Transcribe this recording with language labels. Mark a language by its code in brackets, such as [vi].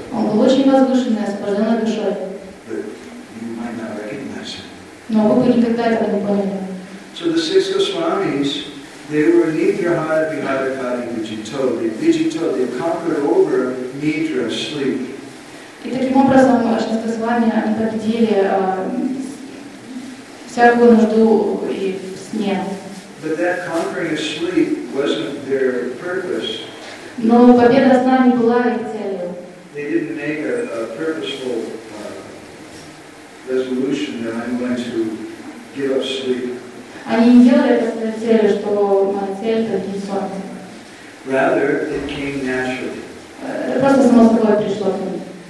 [ru] Он был очень возвышенный, освобожденный душой. [en] But you might not [ru] Но вы бы никогда этого не поняли. [en] So the six Goswamis, they were Nidrahara, Viharapati, Vijito. Vijito, they conquered over Nidra, sleep. [ru] И таким образом, шесть Госвами, они победили всякую нужду и сне. [en] But that conquering of sleep wasn't their purpose. [ru] Но победа сна не была их целью. [en] They didn't make a purposeful resolution that I'm going to give up sleep. [ru] Они не делали это своей целью, что моя цель – это не сон. [en] Rather, it came naturally. [ru] Это просто само собой пришло к ним.